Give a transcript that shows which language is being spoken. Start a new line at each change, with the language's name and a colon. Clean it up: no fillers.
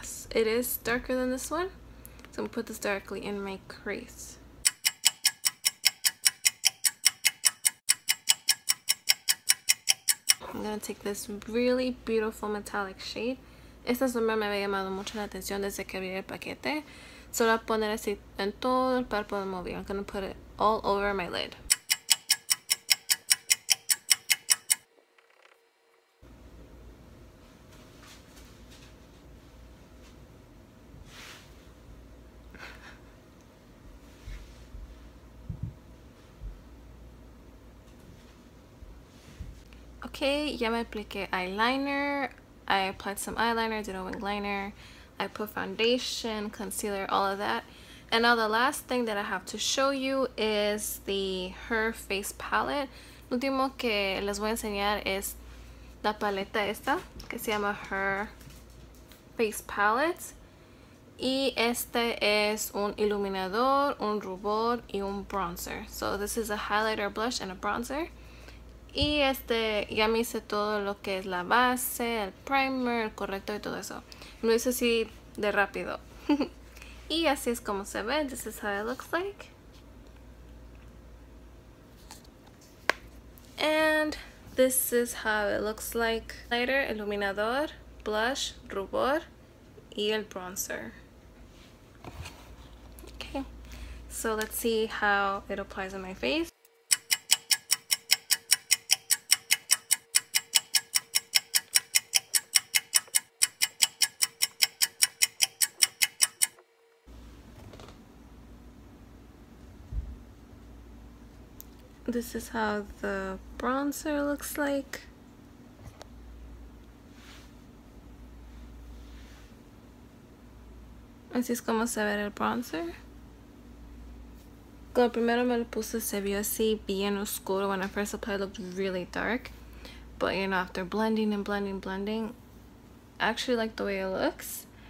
English: It is darker than this one, so I'm gonna put this directly in my crease. I'm gonna take this really beautiful metallic shade.
Spanish: Esta sombra me había llamado mucho la atención desde que abrí el paquete. So la poner así en todo el párpado del móvil.
English: I'm gonna put it all over my lid.
Spanish: Okay, ya me apliqué eyeliner,
English: I applied some eyeliner, did a wing liner, I put foundation, concealer, all of that. And now the last thing that I have to show you is the Her Face palette.
Spanish: Lo último que les voy a enseñar es la paleta esta, que se llama Her Face palette. Y este es un iluminador, un rubor y un bronzer. So this is a highlighter, blush, and a bronzer. Y ya me hice todo lo que es la base, el primer, el corrector y todo eso. Lo hice así de rápido. Y así es como se ve.
English: This is how it looks like. And this is how it looks like. Lighter, iluminador, blush,
Spanish: rubor y el bronzer.
English: Okay, so let's see how it applies on my face. This is how the bronzer looks like.
Spanish: Así es como se ve el bronzer. Cuando primero me lo puse se vio así bien oscuro.
English: When I first applied it looked really dark. But you know, after blending and blending and blending, I actually like the way it looks.